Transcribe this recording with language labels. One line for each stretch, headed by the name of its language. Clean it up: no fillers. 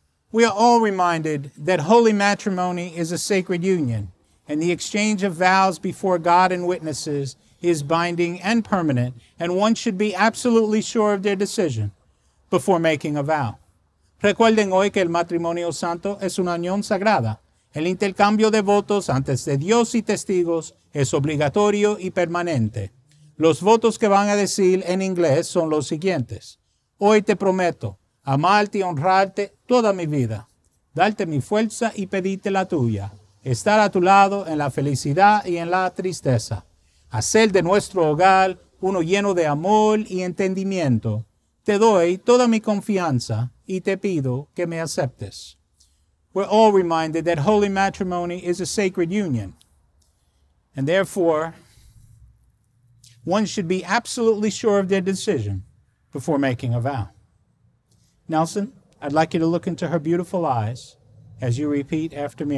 English: We are all reminded that holy matrimony is a sacred union, and the exchange of vows before God and witnesses is binding and permanent, and one should be absolutely sure of their decision before making a vow.
Spanish: Recuerden hoy que el matrimonio santo es una unión sagrada. El intercambio de votos antes de Dios y testigos es obligatorio y permanente. Los votos que van a decir en inglés son los siguientes. Hoy te prometo amarte y honrarte toda mi vida, darte mi fuerza y pedirte la tuya, estar a tu lado en la felicidad y en la tristeza, hacer de nuestro hogar uno lleno de amor y entendimiento. Te doy toda mi confianza y te pido que me aceptes.
English: We're all reminded that holy matrimony is a sacred union, and therefore, one should be absolutely sure of their decision before making a vow. Nelson, I'd like you to look into her beautiful eyes as you repeat after me.